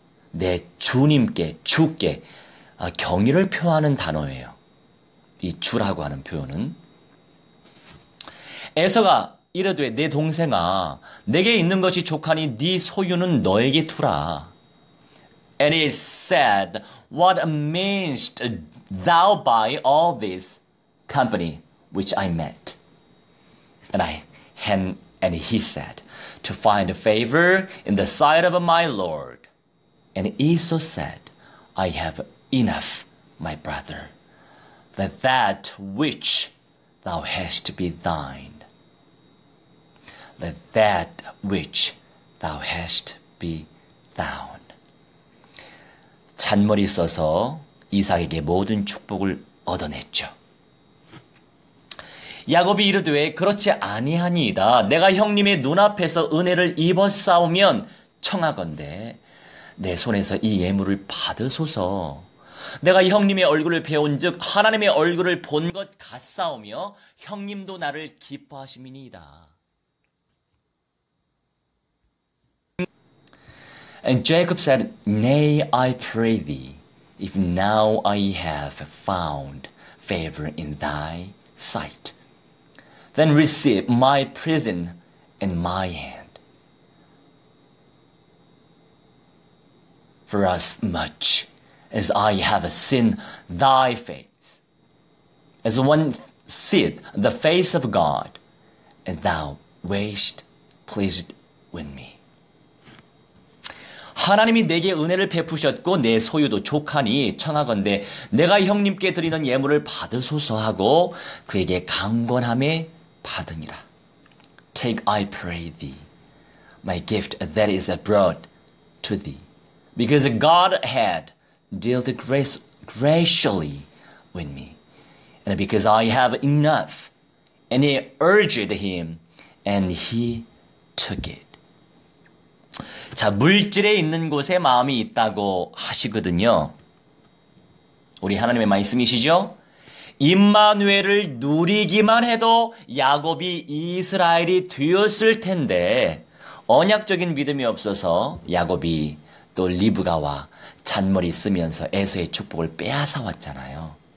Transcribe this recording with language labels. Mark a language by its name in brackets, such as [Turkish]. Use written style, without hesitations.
[Korean] 내 주님께 주께 경의를 표하는 단어예요. 이 주라고 하는 표현은 에서가 이르되 내 동생아 내게 있는 것이 좋거니 네 소유는 너에게 두라. [English] And he said, What meanest thou by all this company which I met? And he said, To find favor in the sight of my Lord. And Esau said, I have enough, my brother, that which thou hast be thine. That which thou hast be thou. [Korean] 찬물이 써서 이삭에게 모든 축복을 얻어냈죠. 야곱이 이르되 그렇지 아니하니이다. 내가 형님의 눈앞에서 은혜를 입어싸우면 청하건대 내 손에서 이 예물을 받으소서. 내가 형님의 얼굴을 뵈온즉 하나님의 얼굴을 본것 같사오며 형님도 나를 기뻐하심이니이다. [English] And Jacob said, Nay, I pray thee, if now I have found favor in thy sight, then receive my present in my hand, for as much as I have seen thy face, as one seeth the face of God, and thou wast pleased with me. [Korean] 하나님이 내게 은혜를 베푸셨고 내 소유도 족하니 청하건대 내가 형님께 드리는 예물을 받으소서 하고 그에게 강권함에 받으니라. [English] Take, I pray thee, my gift that is abroad to thee, because God had dealt graciously with me, and because I have enough. And he urged him, and he took it. [Korean] 자, 물질에 있는 곳에 마음이 있다고 하시거든요. 우리 하나님의 말씀이시죠? 임마누엘을 누리기만 해도 야곱이 이스라엘이 되었을 텐데, 언약적인 믿음이 없어서 야곱이 또 리브가와 잔머리 쓰면서 에서의 축복을 빼앗아 왔잖아요.